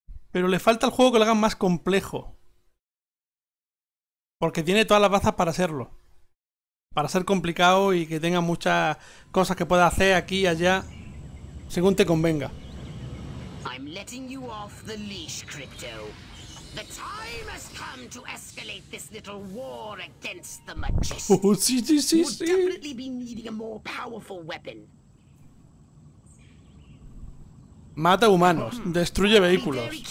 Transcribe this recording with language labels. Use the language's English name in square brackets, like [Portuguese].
[Spanish] Pero le falta al juego que lo haga más complejo. Porque tiene todas las bazas para hacerlo. Para ser complicado y que tenga muchas cosas que pueda hacer aquí y allá, según te convenga. [English] I'm letting you off the leash, Crypto. The time has come to escalate this little war against the Majestic. Oh, sí. You'll definitely be needing a more powerful weapon. [Spanish] Mata humanos, destruye vehículos.